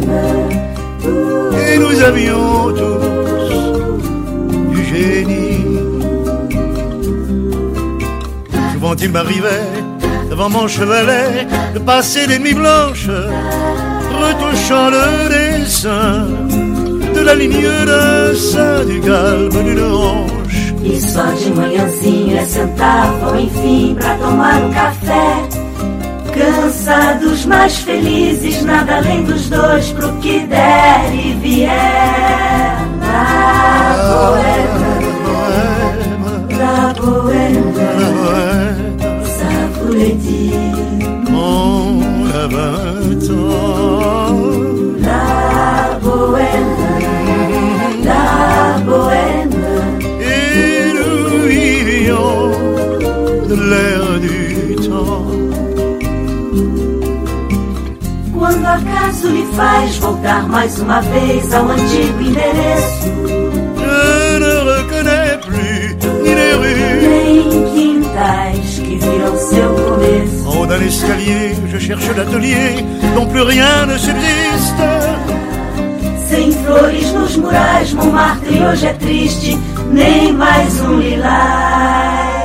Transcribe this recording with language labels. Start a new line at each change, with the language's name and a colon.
French: et nous avions tous du génie. Souvent il m'arrivait devant mon chevalet de passer des nuits blanches retouchant le dessin de la ligne d'un sein, du galbe d'une hanche.
Portuguese: Et soir de manhãzinha sentavam enfim pra tomar um café, cansados, mais felizes, nada além dos dois, pro que der e vier.
French: La bohème, la bohème, la bohème, ça voulait dire on a 20 ans. La bohème, la bohème, et nous vivions de l'air du temps.
Portuguese: Quando acaso lhe faz voltar mais uma vez ao antigo endereço,
French: je ne reconnais plus ni les rues,
Portuguese: nem quintais que viram seu começo.
French: Oh, dans l'escalier, je cherche l'atelier dont plus rien ne subsiste.
Portuguese: Sem flores nos murais, Montmartre hoje é triste, nem mais um lilás.